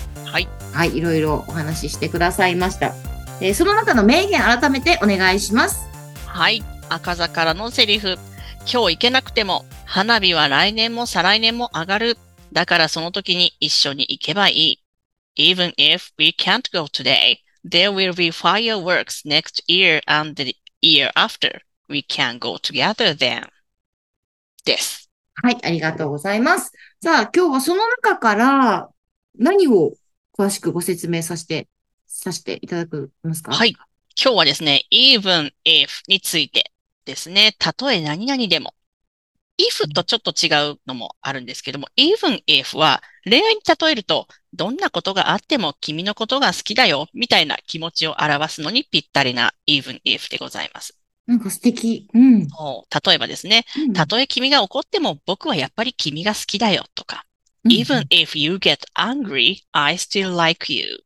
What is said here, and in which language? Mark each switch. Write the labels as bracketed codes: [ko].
[ja] はい、はい、いろいろお話ししてくださいました。その中の名言改めてお願いします。はい、赤座からのセリフ、今日行けなくても花火は来年も再来年も上がる、だからその時に一緒に行けばいい。 [en] Even if we can't go today, there will be fireworks next year and the year after. We can go together then. [ja] です。はい、ありがとうございます。さあ、今日はその中から何を詳しくご説明させていただけますか？はい。今日はですね、even if についてですね、たとえ何々でも。 if とちょっと違うのもあるんですけども、even if は恋愛に例えると、どんなことがあっても君のことが好きだよ、みたいな気持ちを表すのにぴったりな even if でございます。なんか素敵。うん。そう、例えばですね、たとえ君が怒っても僕はやっぱり君が好きだよ、とか。 [en] even if you get angry, I still like you.